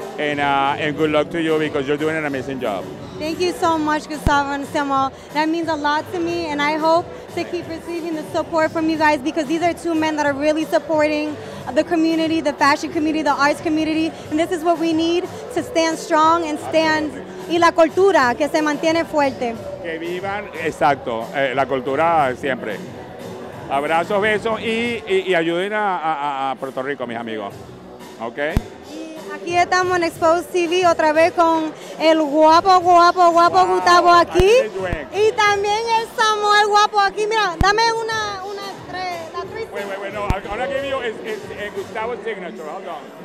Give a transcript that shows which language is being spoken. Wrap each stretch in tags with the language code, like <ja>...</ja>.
<en>And good luck to you, because you're doing an amazing job. Thank you so much, Gustavo and Samuel. That means a lot to me, and I hope to keep receiving the support from you guys, because these are two men that are really supporting the community, the fashion community, the arts community, and this is what we need to stand strong and stand.</en> <es>Y la cultura, que se mantiene fuerte. Que vivan, exacto, la cultura siempre. Abrazos, besos, y ayuden a Puerto Rico, mis amigos.</es> <en>Okay?</en> <es>Aquí estamos en Exposed TV otra vez con el guapo, guapo, guapo, wow, Gustavo aquí. Y también el Samuel guapo aquí. Mira, dame una tres.</es> <en>Wait, no. I'm going to give you Gustavo's signature. Hold on.</en>